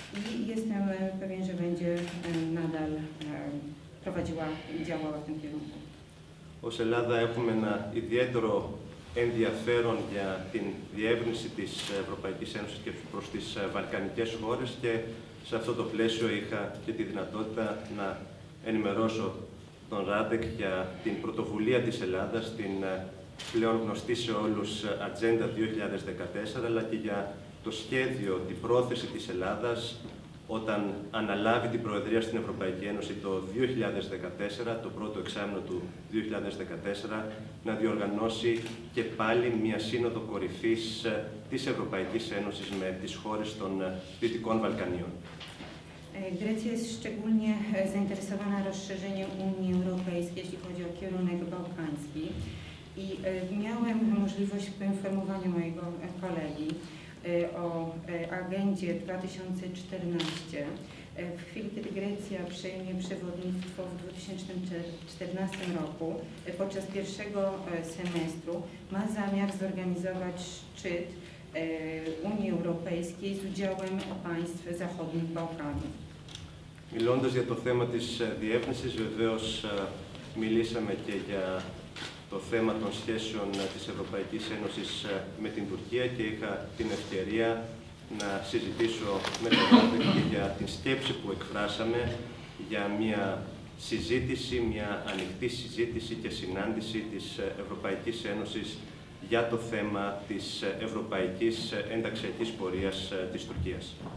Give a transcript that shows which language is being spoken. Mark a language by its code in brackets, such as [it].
[pl] I jestem pewien, że będzie nadal prowadziła i działała w tym kierunku. [el] Ως Ελλάδα έχουμε ένα ιδιαίτερο ενδιαφέρον για την διεύρυνση της Ευρωπαϊκής Ένωσης και προς τις Βαλκανικές χώρες και σε αυτό το πλαίσιο είχα και τη δυνατότητα να ενημερώσω τον Ράντεκ για την πρωτοβουλία της Ελλάδας, την πλέον γνωστή σε όλους Agenda 2014, αλλά και για το σχέδιο, την πρόθεση της Ελλάδας όταν αναλάβει την Προεδρία στην Ευρωπαϊκή Ένωση το 2014, το πρώτο εξάμεινο του 2014, να διοργανώσει και πάλι μια σύνοδο κορυφής της Ευρωπαϊκής Ένωσης με τις χώρες των Δυτικών Βαλκανίων. [pl] Grecja jest szczególnie zainteresowana rozszerzeniem Unii Europejskiej, jeśli chodzi o kierunek bałkański. I miałem możliwość poinformowania mojego kolegi o agendzie 2014. W chwili, kiedy Grecja przejmie przewodnictwo w 2014 roku, podczas pierwszego semestru, ma zamiar zorganizować szczyt Unii Europejskiej z udziałem państw zachodnich Bałkanów. [el] Μιλώντας για το θέμα της διεύνησης, βεβαίως μιλήσαμε και για το θέμα των σχέσεων της Ευρωπαϊκής Ένωσης με την Τουρκία και είχα την ευκαιρία να συζητήσω με τον Πρόεδρο και για την σκέψη που εκφράσαμε για μια συζήτηση, μια ανοιχτή συζήτηση και συνάντηση της Ευρωπαϊκής Ένωσης για το θέμα της ευρωπαϊκής ενταξιακής πορείας της Τουρκίας.